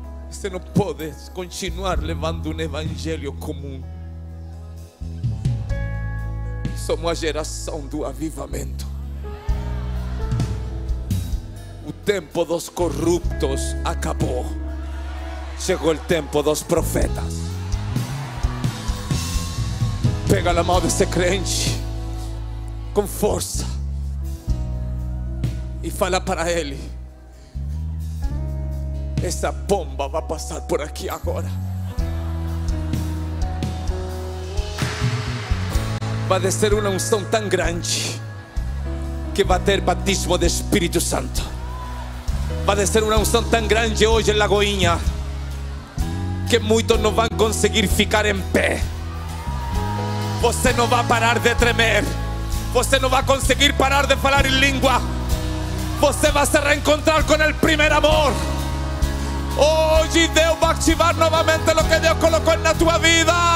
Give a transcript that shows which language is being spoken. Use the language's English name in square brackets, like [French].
[Portuguese] Você não pode continuar levando um evangelho comum. Somos a geração do avivamento. O tempo dos corruptos acabou, chegou o tempo dos profetas. [Spanish] Pega la mano de ese creyente con fuerza y [Portuguese] fala para [Spanish] él: esa bomba va a pasar por aquí ahora. Va a ser una unción tan grande que va a tener batismo de Espíritu Santo. Va a ser una unción tan grande hoy en Lagoinha que muchos no van a [Portuguese] conseguir ficar [Spanish] en pie. [Portuguese] Você não vai parar de tremer. Você não vai conseguir parar de falar em língua. Você vai se reencontrar com o primeiro amor. Hoje Deus vai ativar novamente o que Deus colocou na tua vida.